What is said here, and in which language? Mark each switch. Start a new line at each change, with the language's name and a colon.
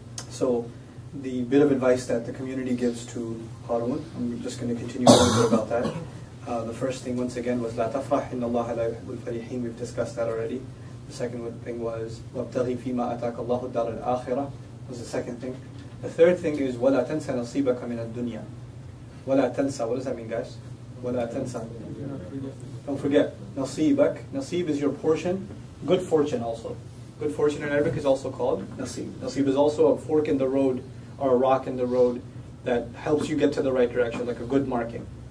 English: So the bit of advice that the community gives to Harun, I'm just going to continue a little bit about that. The first thing, once again, was
Arabic: لا تفرح إن الله لا يحب الفريحين.
English: We've discussed that already. The second thing was
Arabic: وابتغي فيما أتاك الله الدار الآخرة.
English: Was the second thing. The third thing is
Arabic: ولا تنسى نصيبك من الدنيا. ولا تنسى.
English: What does that mean, guys?
Arabic: ولا تنسى.
English: Don't forget نصيبك. نصيب is your portion. Good fortune also. Good fortune in Arabic is also called Naseeb. Naseeb is also a fork in the road or a rock in the road that helps you get to the right direction, like a good marking.